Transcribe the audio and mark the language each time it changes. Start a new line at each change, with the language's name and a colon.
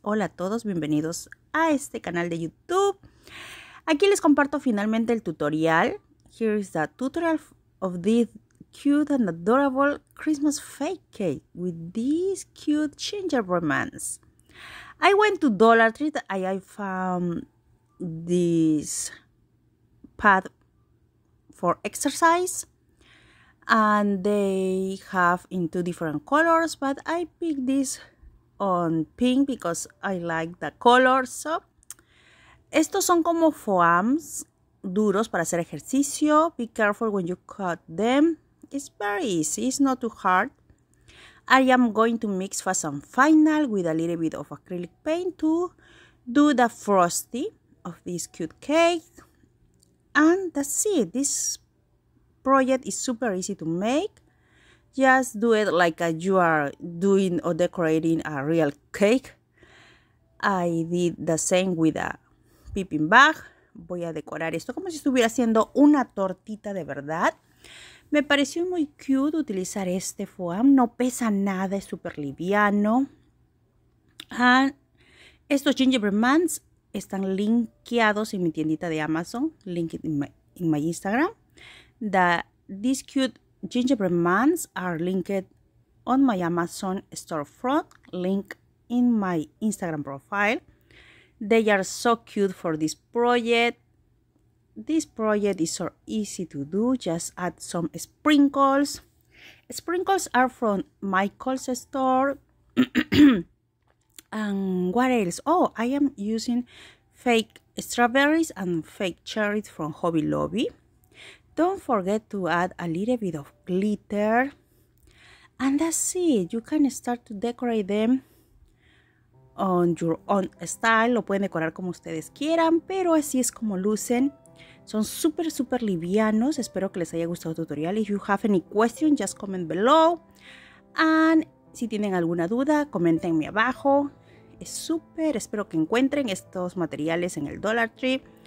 Spanish: Hola a todos, bienvenidos a este canal de YouTube. Aquí les comparto finalmente el tutorial.
English: Here is the tutorial of this cute and adorable Christmas fake cake with this cute gingerbread man. I went to Dollar Tree and I found this pad for exercise. And they have in two different colors, but I picked this on pink because I like the color.
Spanish: So, estos son como foams duros para hacer ejercicio.
English: Be careful when you cut them. It's very easy, it's not too hard. I am going to mix fast and final with a little bit of acrylic paint to do the frosty of this cute cake. And that's it. This project is super easy to make. Just do it like you are doing or decorating a real cake. I did the same with a piping bag.
Spanish: Voy a decorar esto como si estuviera haciendo una tortita de verdad. Me pareció muy cute utilizar este foam. No pesa nada, es super liviano. And estos gingerbread man están linkeados en mi tiendita de Amazon.
English: Link it in my Instagram. These cute gingerbread man are linked on my Amazon storefront, link in my Instagram profile. They are so cute for this project. This project is so easy to do, just add some sprinkles. Sprinkles are from Michael's store. And what else? Oh, I am using fake strawberries and fake cherries from Hobby Lobby. Don't forget to add a little bit of glitter. And that's it. You can start to decorate them on your own style.
Spanish: Lo pueden decorar como ustedes quieran, pero así es como lucen. Son super, super livianos. Espero que les haya gustado el tutorial.
English: If you have any question, just comment below.
Spanish: And si tienen alguna duda, comentenme abajo. Es super. Espero que encuentren estos materiales en el Dollar Tree.